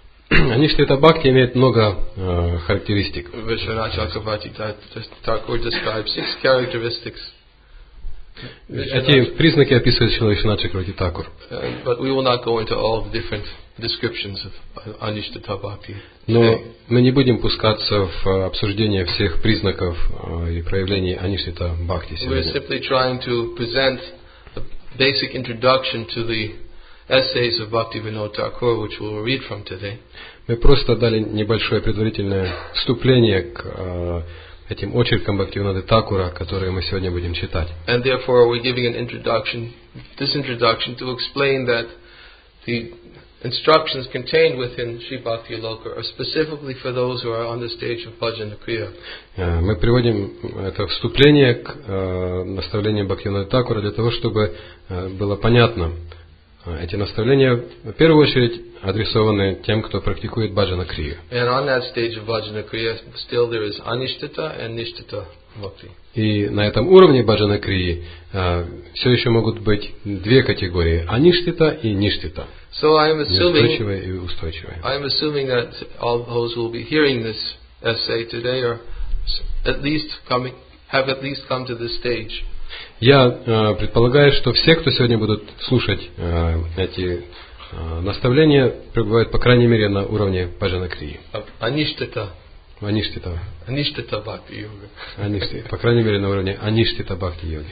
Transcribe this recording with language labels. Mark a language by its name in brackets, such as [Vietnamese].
[Russian] Anishtita bhakti имеет много характеристик. [English] Vishwanatha Chakravarti Thakur describes 6 characteristics. [Russian] Эти признаки описывает Vishwanatha Chakravarti Thakur. [English] But we will not go into all the different descriptions of anishtita bhakti. [Russian] Но мы не будем пускаться в обсуждение всех признаков и проявлений anishtita bhakti сегодня. [English] We're simply trying to present a basic introduction to the essays of Bhaktivinoda Thakur, which we will read from today. [Russian] Мы просто дали небольшое предварительное вступление к этим очеркам Бхактивинода Такура, которые мы сегодня будем читать. [English] And therefore we're giving an introduction, this introduction, to explain that the instructions contained within Sri Bhakti Loka are specifically for those who are on the stage of Bhajana Kriya. [Russian] Мы приводим это вступление к наставлениям Бхактивинода Такура для того, чтобы было понятно. Эти наставления, в первую очередь, адресованы тем, кто практикует баджана крию. [English] And on that stage of baджана крия, still there is anishtita and nishtita bhakti. [Russian] И на этом уровне баджана крии все еще могут быть две категории: anishtita и nishtita. [English] So I am assuming, [Russian] неустойчивая и устойчивая. [English] I am assuming that all those who will be hearing this essay today are at least coming, have at least come to this stage. [Russian] Я предполагаю, что все, кто сегодня будут слушать эти наставления, пребывают, по крайней мере, на уровне баджана крии. Аништита. аништитава. Аништита бхакти йога. Аништита, по крайней мере, на уровне аништита бхакти йоги.